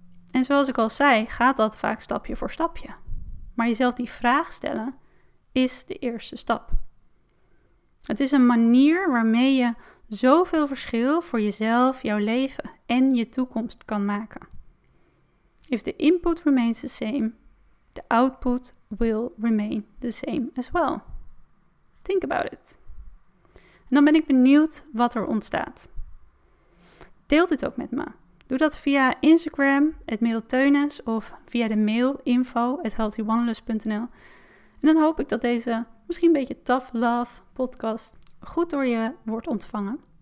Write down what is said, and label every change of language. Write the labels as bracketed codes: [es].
[nl] En zoals ik al zei, gaat dat vaak stapje voor stapje. Maar jezelf die vraag stellen is de eerste stap. Het is een manier waarmee je zoveel verschil voor jezelf, jouw leven en je toekomst kan maken. [en] If the input remains the same, the output will remain the same as well. Think about it. [nl] En dan ben ik benieuwd wat er ontstaat. Deel dit ook met me. Doe dat via Instagram, @middelteunis, of via de mail info@healthywanderlust.nl. En dan hoop ik dat deze misschien een beetje tough love podcast goed door je wordt ontvangen.